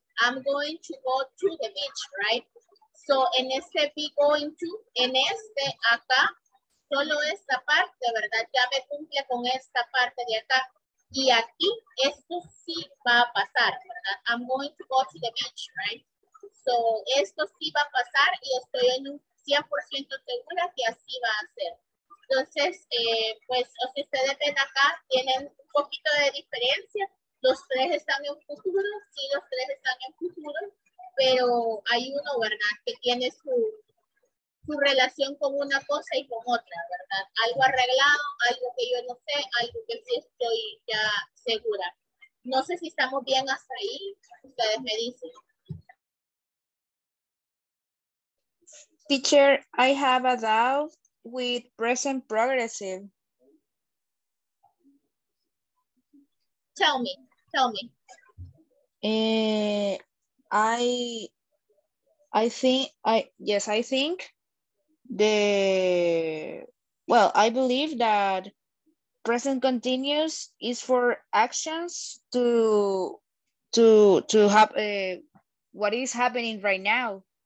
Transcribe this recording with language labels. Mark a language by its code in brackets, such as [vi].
[en] I'm going to go to the beach, right? [es] So, en este be going to, en este acá, solo esta parte, ¿verdad? Ya me cumple con esta parte de acá. Y aquí, esto sí va a pasar, ¿verdad? [en] I'm going to go to the beach, right? [es] So, esto sí va a pasar y estoy en un 100% segura que así va a ser. Entonces, pues, o si ustedes ven acá, tienen un poquito de diferencia. Los tres están en futuro, sí, los tres están en futuro, pero hay uno, ¿verdad?, que tiene su relación con una cosa y con otra, ¿verdad? Algo arreglado, algo que yo no sé, algo que sí estoy ya segura. No sé si estamos bien hasta ahí, ustedes me dicen. [en] Teacher, I have a doubt with present progressive. Tell me. I believe that present continuous is for actions to have what is happening right now.